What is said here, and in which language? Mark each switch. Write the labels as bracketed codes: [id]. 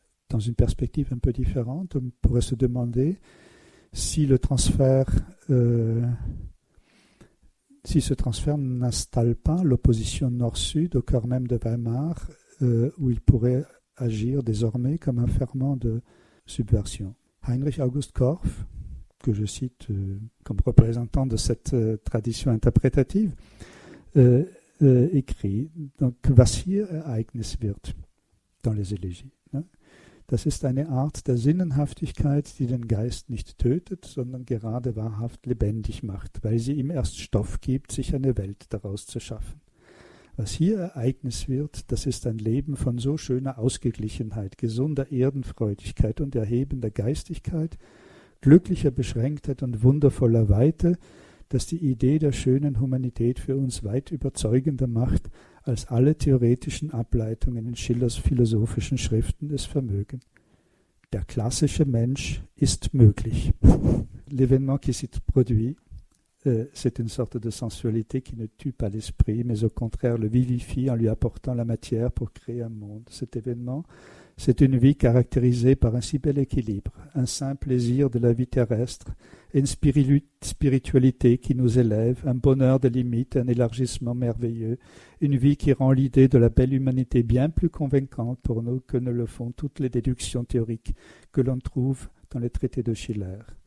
[fr] Dans une perspective un peu différente, on pourrait se demander si ce transfert n'installe pas l'opposition nord-sud au cœur même de Weimar, où il pourrait agir désormais comme un ferment de subversion. Heinrich August Korff, que je cite comme représentant de cette tradition interprétative, écrit « [de] Was hier Ereignis wird [fr] » dans les élégies. [de] Das ist eine Art der Sinnenhaftigkeit, die den Geist nicht tötet, sondern gerade wahrhaft lebendig macht, weil sie ihm erst Stoff gibt, sich eine Welt daraus zu schaffen. Was hier Ereignis wird, das ist ein Leben von so schöner Ausgeglichenheit, gesunder Erdenfreudigkeit und erhebender Geistigkeit, glücklicher Beschränktheit und wundervoller Weite, dass die Idee der schönen Humanität für uns weit überzeugender macht, als alle theoretischen Ableitungen in Schillers philosophischen Schriften es vermögen. Der klassische Mensch ist möglich. [fr] L'événement qui s'est produit, c'est une sorte de sensualité qui ne tue pas l'esprit, mais au contraire le vivifie en lui apportant la matière pour créer un monde. Cet événement, c'est une vie caractérisée par un si bel équilibre, un saint plaisir de la vie terrestre, une spiritualité qui nous élève, un bonheur de limite, un élargissement merveilleux, une vie qui rend l'idée de la belle humanité bien plus convaincante pour nous que ne le font toutes les déductions théoriques que l'on trouve dans les traités de Schiller.